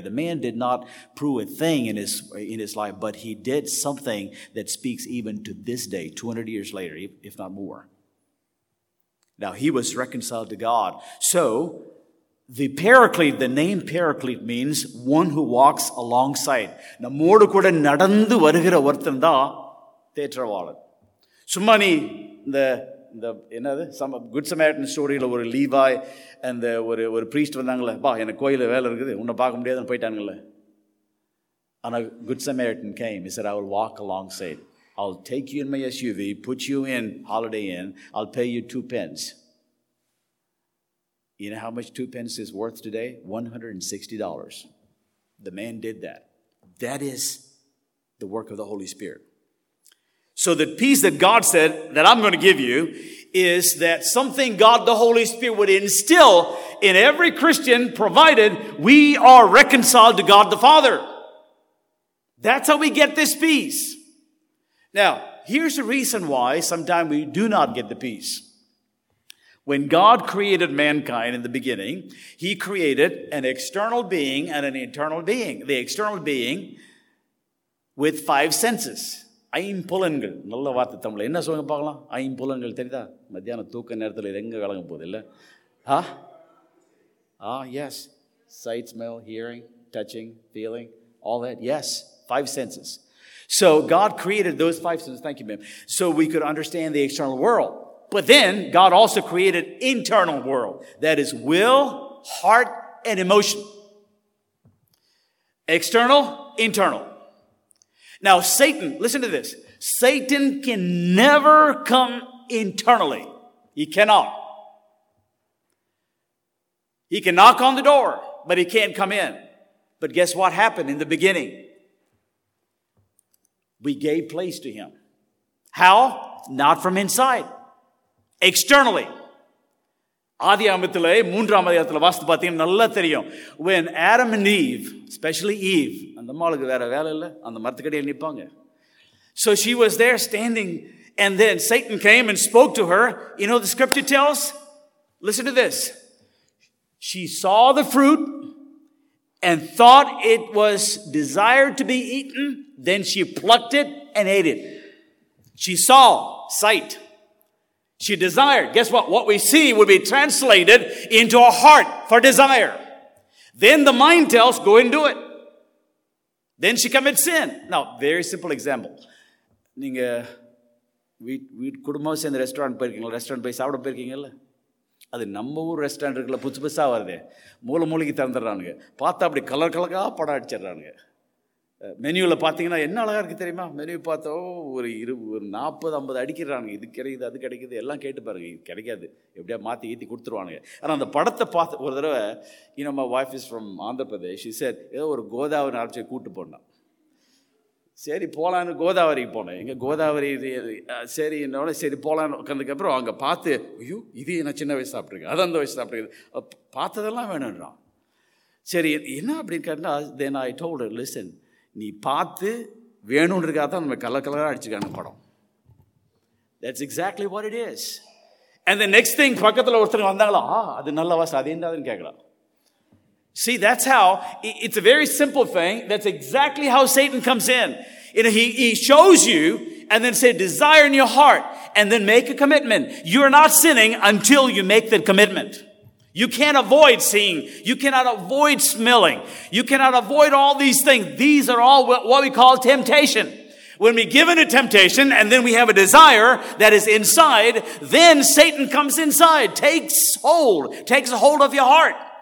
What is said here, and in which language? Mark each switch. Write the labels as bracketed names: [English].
[English] The man did not prove a thing in his life, but he did something that speaks even to this day, 200 years later, if not more. Now, he was reconciled to God. So, the paraclete, the name paraclete means one who walks alongside. [Tamil] நம்மோடு கூட நடந்து வருகிற ஒருத்தன் தான் தேற்றவாளன். சும்மா நீ இந்த என்னது சம குட் சமாரிட்டன் ஸ்டோரியில் ஒரு லீவாய் அந்த ஒரு ப்ரீஸ்ட் வந்தாங்களே, பா எனக்கு கோயிலில் வேலை இருக்குது, உன்னை பார்க்க முடியாதுன்னு போயிட்டானுங்களே. ஆனால் [English] Good Samaritan came, is I will walk alongside, I will take you in my SUV, put you in Holiday Inn, I will pay you 2 pence. You know how much 2 pence is worth today? $160. The man did that. That is the work of the Holy Spirit. So the peace that God said that I'm going to give you is that something God the Holy Spirit would instill in every Christian, provided we are reconciled to God the Father. That's how we get this peace. Now, here's the reason why sometimes we do not get the peace. When God created mankind in the beginning, he created an external being and an internal being. The external being with 5 senses. [Tamil] ஐம்புலன்கள், நல்ல வார்த்தை தமிழ், என்ன சொல்லுங்க பார்க்கலாம்? ஐம்புலன்கள் தெரியுதா? மத்தியானம் தூக்க நேரத்தில் எங்கே விளங்க போகுது இல்லை? [English] Ah, yes, sight, smell, hearing, touching, feeling, all that, yes, 5 senses. So God created those 5 senses, thank you, ma'am, so we could understand the external world. But then God also created internal world. That is will, heart, and emotion. External, internal. Now Satan, listen to this. Satan can never come internally. He cannot. He can knock on the door, but he can't come in. But guess what happened in the beginning? We gave place to him. How? Not from inside. Externally. [Tamil] ஆதியாகமத்திலே 3rd வாசித்து பார்த்தீங்கன்னா நல்லா தெரியும். [English] When Adam and Eve, especially Eve, [Tamil] அந்த அம்மாளுக்கு வேற வேலை இல்லை, அந்த மரத்துக்கடியில் நிற்பாங்க. [English] So she was there standing, and then Satan came and spoke to her. You know the scripture tells? Listen to this. She saw the fruit and thought it was desired to be eaten. Then she plucked it and ate it. She saw, sight. She desired. Guess what? What we see will be translated into a heart for desire. Then the mind tells, go and do it. Then she commits sin. Now, very simple example. [Tamil] நீங்கள் வீட்டு குடும்பமாக சேர்ந்து restaurant போயிருக்கீங்களா? Restaurant போய் சாப்பிட போயிருக்கீங்கல்ல? அது நம்ம ஊர் ரெஸ்டாரண்ட் இருக்குல்ல, புதுசு புதுசாக வருது, மூளை மூளைக்கு திறந்துடுறானுங்க. பார்த்தா அப்படி கலர் கலக்காக படம் அடிச்சிடுறானுங்க. மெனுவில் பார்த்தீங்கன்னா என்ன அழகாக இருக்குது தெரியுமா? மெனு பார்த்தோ ஒரு 40-50 அடிக்கிறானுங்க. இது கிடைக்குது, அது கிடைக்குது, எல்லாம் கேட்டு பாருங்கள், இது கிடைக்காது, எப்படியா மாற்றி ஈற்றி கொடுத்துருவானுங்க. ஆனால் அந்த படத்தை பார்த்து ஒரு தடவை, [English] in my wife is from Andhra Pradesh, she said, [Tamil] ஏதோ ஒரு கோதாவரி ஆர்ச்சி கூப்பிட்டு போனான். சரி போகலான்னு கோதாவரிக்கு போனேன். எங்கள் கோதாவரி, சரி என்னோட சரி போகலான்னு உட்காந்துக்கப்புறம் அங்கே பார்த்து, ஐயோ இது நான் சின்ன வயசு சாப்பிட்ருக்கேன், அது அந்த வயசு சாப்பிட்ருக்கேன், பார்த்ததெல்லாம் வேணுன்றான். சரி என்ன அப்படின்னு கேட்டால், [English] then I told, listen, [Tamil] நீ பார்த்து வேணும்னு இருக்கா தான் நம்ம கலர் கலராக அடிச்சுக்காங்க படம். [English] That's exactly what it is. And the next thing, [Tamil] பக்கத்தில் ஒருத்தருங்க வந்தாங்களா, ஆ அது நல்ல வாசம், அது என்னதுன்னு கேட்கலாம். [English] See, that's how it's a very simple thing, that's exactly how Satan comes in. You know, he shows you and then say desire in your heart and then make a commitment. You're not sinning until you make the commitment. You can't avoid seeing. You cannot avoid smelling. You cannot avoid all these things. These are all what we call temptation. When we give in a temptation and then we have a desire that is inside, then Satan comes inside, takes hold of your heart.